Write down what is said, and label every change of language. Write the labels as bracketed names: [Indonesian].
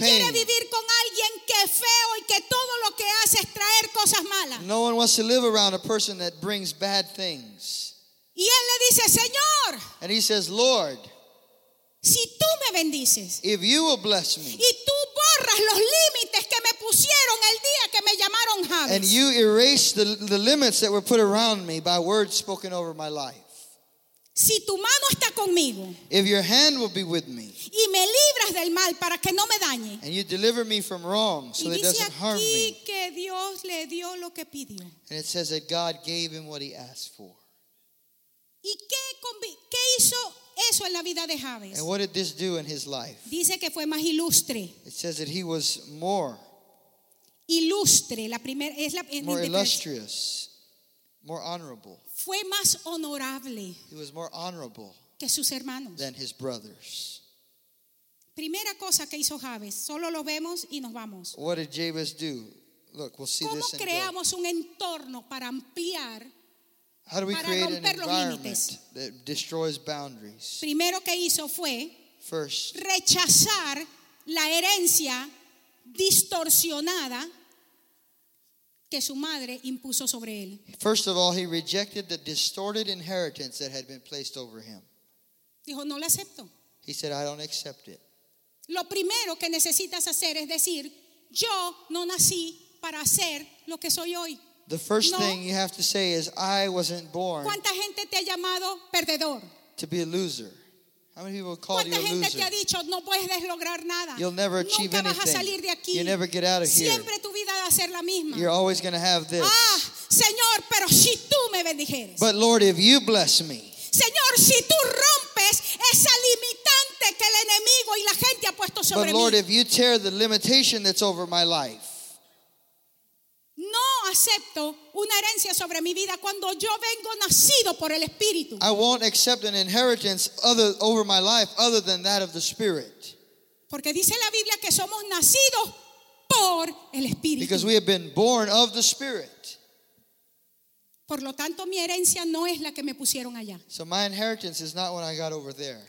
[Spanish] ¿Quién quiere vivir con alguien que es feo y que todo lo que hace es traer cosas malas? [English] No one wants to live around a person that brings bad things. [Spanish] Y él le dice, Señor. [English] And he says, Lord. [Spanish] Si tú me bendices. [English] If you will bless me. [Spanish] Y tú borras los límites que me pusieron el día que me llamaron Jabes. [English] And you erase the limits that were put around me by words spoken over my life. [Spanish] Si tu mano está conmigo. [English] If your hand will be with me. [Spanish] Y me libras del mal para que no me dañe. [English] And you deliver me from wrong so that it doesn't harm me. [Spanish] Y dice aquí que Dios le dio lo que pidió. [English] And it says that God gave him what he asked for. [Spanish] ¿Y qué hizo eso en la vida de Jabes? [English] And what did this do in his life? [Spanish] Dice que fue más ilustre. [English] It says that he was more. [Spanish] Ilustre. La primera, es la, [English] more illustrious. More honorable. [Spanish] Fue más honorable. [English] He was more honorable. [Spanish] Que sus hermanos. [English] Than his brothers. [Spanish] Primera cosa que hizo Jabes. Solo lo vemos y nos vamos. [English] What did Jabes do? Look, we'll see this. [Spanish] ¿Cómo creamos un entorno para ampliar? [English] How do we create an environment that destroys boundaries? [Spanish] Primero que hizo fue [English] first, [Spanish] rechazar la herencia distorsionada que su madre impuso sobre él. [English] First of all, he rejected the distorted inheritance that had been placed over him. [Spanish] Dijo, no lo acepto. [English] He said, I don't accept it. [Spanish] Lo primero que necesitas hacer es decir, yo no nací para hacer lo que soy hoy. [English] The first thing you have to say is, I wasn't born. [Spanish] ¿Cuánta gente te ha llamado perdedor? [English] To be a loser. How many people have called you a loser? [Spanish] ¿Cuánta gente te ha dicho, no puedes lograr nada? [English] You'll never achieve [Spanish] nunca [English] anything. [Spanish] Vas a salir de aquí. [English] You'll never get out of [Spanish] siempre [English] here. [Spanish] Tu vida va a ser la misma. [English] You're always going to have this. [Spanish] Ah, Señor, pero si tú me bendijeres. [English] But Lord, if you bless me. [Spanish] Señor, si tú rompes esa limitante que el enemigo y la gente ha puesto sobre mí. [English] But Lord, if you tear the limitation that's over my life. [Spanish] No acepto una herencia sobre mi vida cuando yo vengo nacido por el Espíritu. [English] I won't accept an inheritance over my life other than that of the Spirit. [Spanish] Porque dice la Biblia que somos nacidos por el Espíritu. [English] Because we have been born of the Spirit. [Spanish] Por lo tanto, mi herencia no es la que me pusieron allá. [English] So my inheritance is not what I got over there.